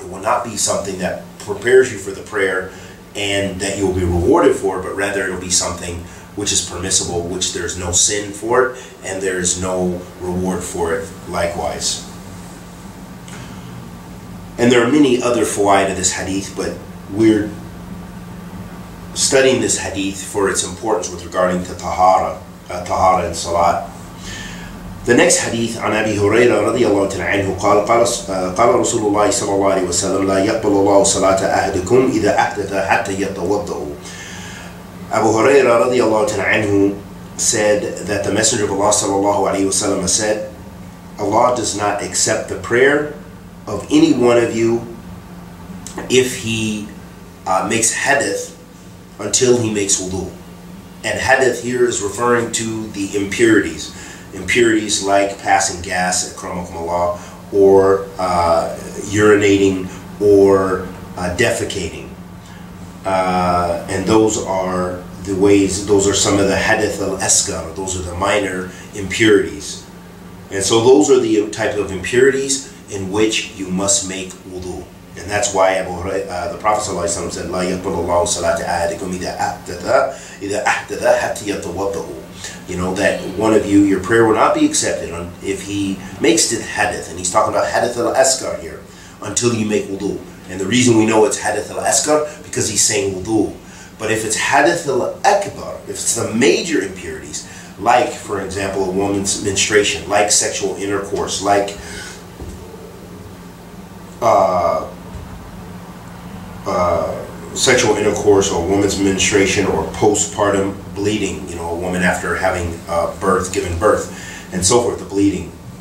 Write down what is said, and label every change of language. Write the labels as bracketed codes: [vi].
[en] It will not be something that prepares you for the prayer and that you will be rewarded for, but rather it will be something which is permissible, which there's no sin for it, and there is no reward for it likewise. And there are many other fawaid of this hadith, but we're studying this hadith for its importance with regarding to tahara and salat. The next hadith, [ar] عن أبي هريرة رضي الله تعالى عنه قال قال رسول الله صلى الله عليه وسلم لا يقبل الله صلاة أحدكم إذا أحدث حتى يتوضأ. [en] Abu Huraira radiallahu ta'ala anhu said that the Messenger of Allah sallallahu alayhi wa sallam said, Allah does not accept the prayer of any one of you if he makes hadith until he makes wudu. And hadith here is referring to the impurities. Impurities like passing gas at Kramakum Allah, or urinating, or defecating. And those are the ways, those are some of the hadith al-askar, those are the minor impurities. And so those are the type of impurities in which you must make wudu. And that's why the Prophet ﷺ said, [ar] لا يقبل الله صلاة أحدكم إذا أحدث حتى يتوضأ. [en] You know, that one of you, your prayer will not be accepted if he makes the hadith. And he's talking about hadith al-askar here, until you make wudu. And the reason we know it's hadith al-askar, because he's saying wudu. But if it's hadith al-akbar, if it's the major impurities, like, for example, a woman's menstruation, like sexual intercourse, like sexual intercourse or a woman's menstruation or postpartum bleeding, you know, a woman after having given birth, and so forth, the bleeding.